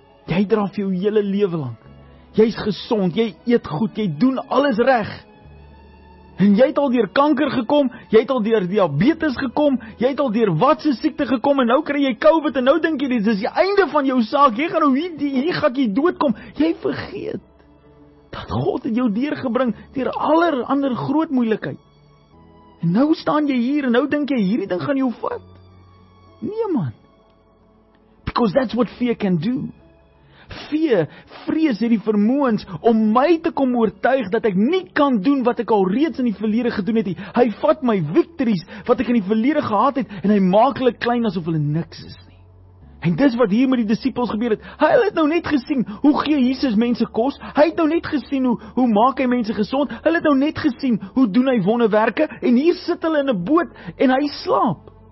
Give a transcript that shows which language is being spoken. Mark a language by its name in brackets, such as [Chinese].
[Afrikaans] Jy dra vir jou hele lewe lank, jy is gesond, jy eet goed, jy doen alles reg, en jy het al deur kanker gekom, jy het al deur diabetes gekom, jy het al deur wat se siekte gekom, en nou kry jy COVID, en nou dink jy, dit is die einde van jou saak, jy gaan nou hier gaan jy doodkom, jy vergeet, dat God het jou deurgebring, deur aller ander groot moeilikheid, en nou staan jy hier, en nou dink jy, hierdie ding gaan jou vat. Nee man, [English] because that's what fear can do. [Afrikaans] Fear, vrees het die vermoëns om my te kom oortuig dat ek nie kan doen wat ek al reeds in die verlede gedoen het. Hy vat my victories wat ek in die verlede gehad het, en hy maak hulle klein asof hulle niks is nie. En dis wat hier met die disippels gebeur het. Hulle het nou net gesien, hoe gee Jesus mense kos? Hy het nou net gesien, hoe maak hy mense gesond? Hulle het nou net gesien, hoe doen hy wonderwerke? En hier sit hulle in 'n boot, en hy slaap.